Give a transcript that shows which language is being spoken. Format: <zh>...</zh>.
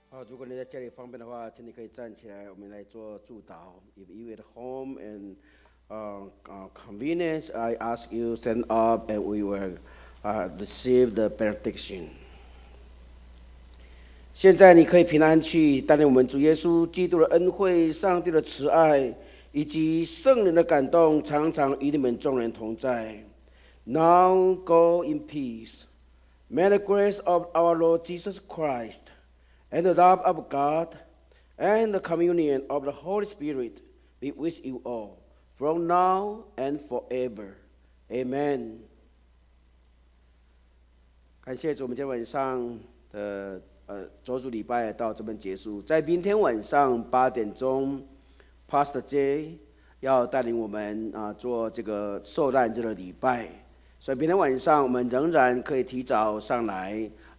<zh>如果你在家里方便的话，请你可以站起来，我们来做祝祷。</zh> <en>If you at home and convenience, I ask you stand up and we will receive the benediction.</en> <zh>现在你可以平安去，带领我们主耶稣基督的恩惠、上帝的慈爱以及圣灵的感动，常常与你们众人同在。</zh> <en>Now go in peace. May the grace of our Lord Jesus Christ. And the love of God and the communion of the Holy Spirit be with you all from now and forever. Amen.</en> <zh>感谢主，我们今天晚上的主主礼拜到这边结束。在明天晚上八点钟 ，Pastor J 要带领我们做这个受难日的礼拜，所以明天晚上我们仍然可以提早上来。</zh>